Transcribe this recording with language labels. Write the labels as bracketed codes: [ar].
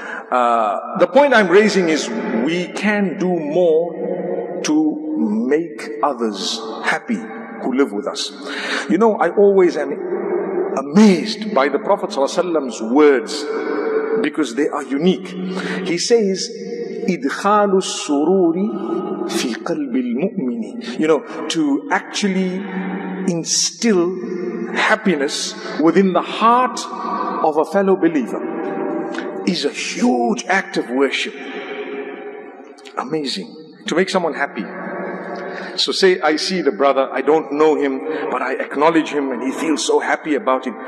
[en] The point I'm raising is, we can do more to make others happy who live with us. You know, I always am amazed by the Prophet ﷺ's words because they are unique. He says, [ar] إِدْخَالُ السُّرُورِ فِي قَلْبِ الْمُؤْمِنِ. [en] You know, to actually instill happiness within the heart of a fellow believer is a huge act of worship. Amazing. To make someone happy. So say, I see the brother, I don't know him, but I acknowledge him and he feels so happy about it.